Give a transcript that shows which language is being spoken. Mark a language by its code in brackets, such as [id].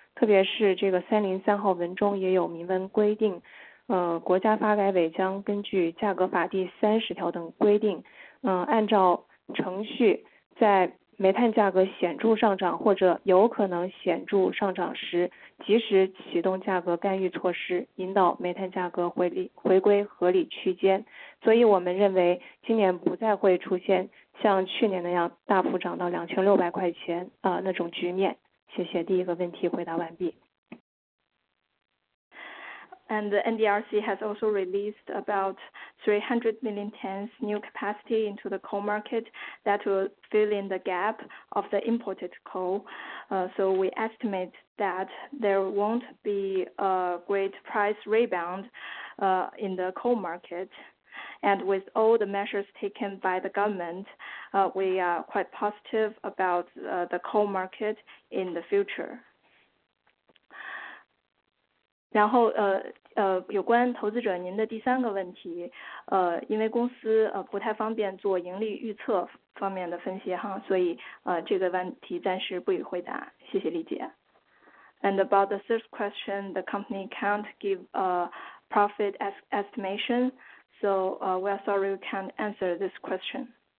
[zh] 特别是这个303号文中也有明文规定，国家发改委将根据价格法第30条等规定，按照程序，在煤炭价格显著上涨或者有可能显著上涨时，及时启动价格干预措施，引导煤炭价格回归合理区间。所以我们认为今年不再会出现像去年那样大幅涨到2600块钱啊、那种局面？谢谢，第一个问题回答完毕。 [en] And the NDRC has also released about 300 million tons new capacity into the coal market that will fill in the gap of the imported coal. So we estimate that there won't be a great price rebound in the coal market. And with all the measures taken by the government, we are quite positive about the coal market in the future. [zh] 然后有关投资者您的第三个问题，因为公司不太方便做盈利预测方面的分析哈，所以这个问题暂时不予回答，谢谢理解。 [en] And about the third question, the company can't give a profit estimation, so we are sorry we can't answer this question.